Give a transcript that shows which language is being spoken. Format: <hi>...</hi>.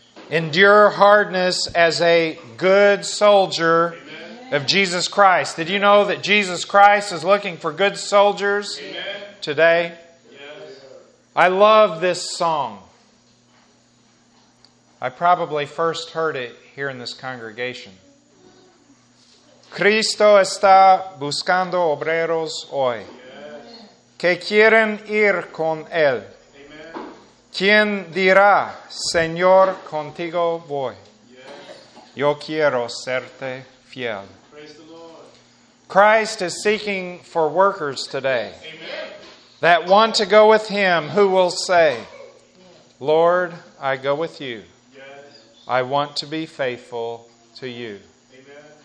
<en>Endure hardness as a good soldier of Jesus Christ. Did you know that Jesus Christ is looking for good soldiers today? Yes. I love this song. I probably first heard it here in this congregation.</en> <es>Cristo está buscando obreros hoy. Que quieren ir con él. ¿Quién dirá, Señor, contigo voy? Yo quiero serte fiel.</es> <en>Praise the Lord. Christ is seeking for workers today. Amen. That want to go with him, who will say, Lord, I go with you. I want to be faithful to you. Amen.</en>